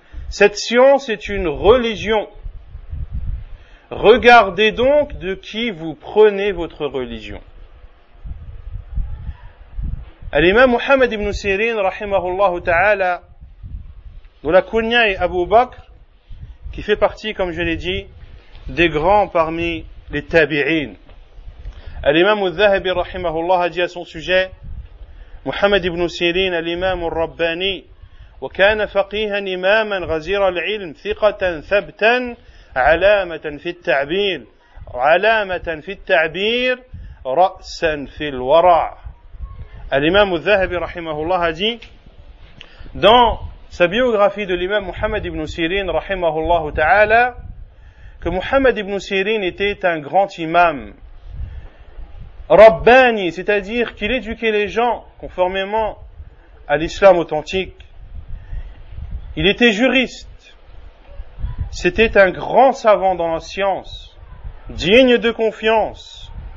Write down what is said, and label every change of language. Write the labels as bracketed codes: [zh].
[fr] Cette science est une religion. Regardez donc de qui vous prenez votre religion. L'imam Muhammad ibn Sirin, rahimahullah ta'ala, dont la kunya est Abu Bakr, qui fait partie, comme je l'ai dit, des grands parmi les tabi'in. [ar] الإمام الذهبي رحمه الله جاء عن سجاه محمد بن سيرين الإمام الرباني وكان فقيها إماما غزير العلم ثقة ثبتا علامة في التعبير علامة في التعبير رأسا في الورع. الإمام الذهبي رحمه الله جاء [fr] dans sa biographie de l'imam محمد بن سيرين رحمه الله تعالى que محمد بن سيرين était un grand imam. Rabbani, c'est-à-dire qu'il éduquait les gens conformément à l'islam authentique. Il était juriste. C'était un grand savant dans la science, digne de confiance.